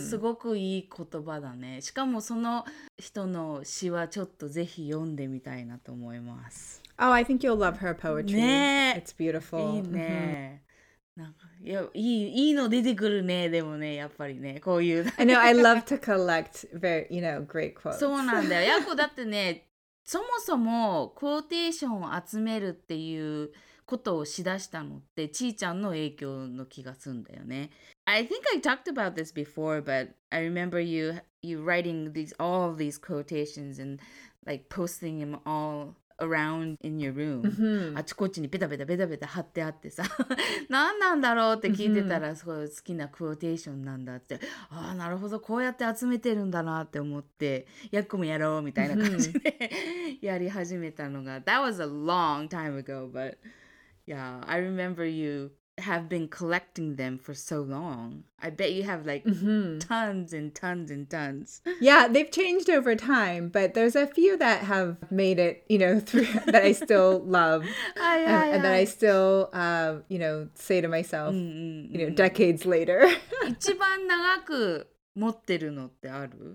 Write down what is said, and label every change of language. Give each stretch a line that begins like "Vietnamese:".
Japanese: すごくいい言葉だねしかもその人の詩はちょっとぜひ読んでみたいなと思います
English: Oh, I think you'll love her poetry、
Japanese: ね、
English: It's beautiful
Japanese: いいねなんか いいの出てくるねでもねやっぱりねこういう
English: I know, I love to collect very, you know, great quotes
Japanese: そうなんだよヤコだってねそもそもクォーテーションを集めるっていうことをしだしたのってちーちゃんの影響の気がするんだよね。
English: I think I talked about this before, but I remember you writing all of these quotations and like posting them all around in your room.
Japanese: あちこちにペタペタペタペタ貼ってあってさ、何なんだろうって聞いてたらすごい好きなクォーテーションなんだって、ああなるほどこうやって集めてるんだなって思って、やっこもやろうみたいな感じでやり始めたのが、
English: That was a long time ago, but yeah, I remember you have been collecting them for so long. I bet you have like tons and tons and tons. Yeah, they've changed over time, but there's a few that have made it, you know, through, that I still love. And that I still, you know, say to myself, you know, decades later.
Japanese: 一番長く持ってるのってある?